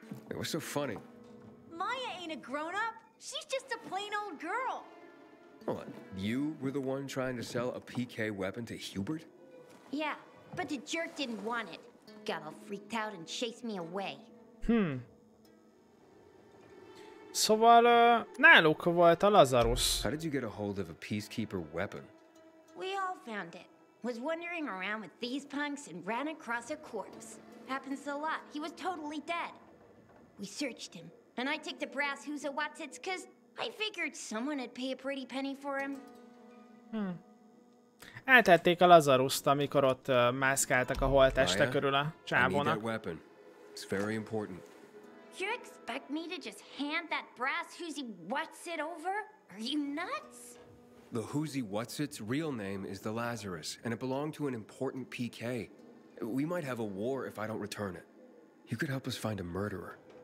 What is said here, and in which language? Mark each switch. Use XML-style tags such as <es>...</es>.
<en>It was so funny. Maya ain't a grown-up. She's just a plain old girl. What? You were the one trying to sell a PK weapon to Hubert? Yeah, but the jerk didn't want it. Got all freaked out and chased me away.</en> <hu>Szóval náluk volt a Lazarus.</hu> <en>How did you get a hold of a peacekeeper weapon? We all found it. Was wandering around with these punks and ran across a corpse. Happens a lot. He was totally dead. We searched him, and I took the brass who's a watsits, cause I figured someone would pay a pretty penny for him.</en> <hu>Eltették a Lazarust, amikor ott mászkáltak a holteste körül a csávónak.</hu> <en>I need that weapon. It's very important. You expect me to just hand that brass who's a watsit over? Are you nuts? The Hoosie Whatsit's real name is the Lazarus, and it belonged to an important PK. We might have a war if I don't return it. You could help us find a murderer.</en>